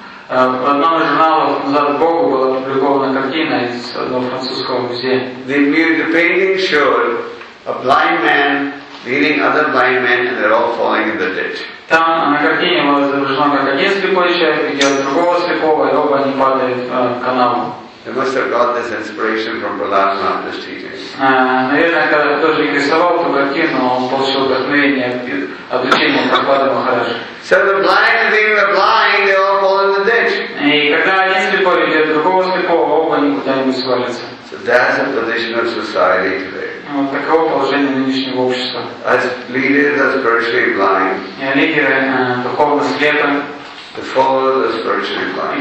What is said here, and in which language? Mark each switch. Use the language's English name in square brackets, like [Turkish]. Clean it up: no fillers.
[Russian] В одном из журналов «Назад к Богу» была опубликована картина из одного французского музея. [English] The painting showed a blind man leading other blind men and they're all falling in the ditch. [Russian] Там на картине было изображено, как один слепой человек ведет другого слепого, и оба они падают в канаву. [English] They must have got this inspiration from Prahlad Maharaj's teachings. [Russian] Наверное, когда тоже их рисовал ту картину, он получил вдохновение от учения Прахлада Махараджа. [English] So the blind leading the blind, they all fall in the ditch. [Russian] И когда один слепой ведет другого слепого, оба они куда-нибудь свалятся. [English] So that's the position of society today. [Russian] Вот таково положение нынешнего общества. [English] As leaders are spiritually blind. [Russian] И лидеры духовно слепы. [English] The followers are spiritually blind.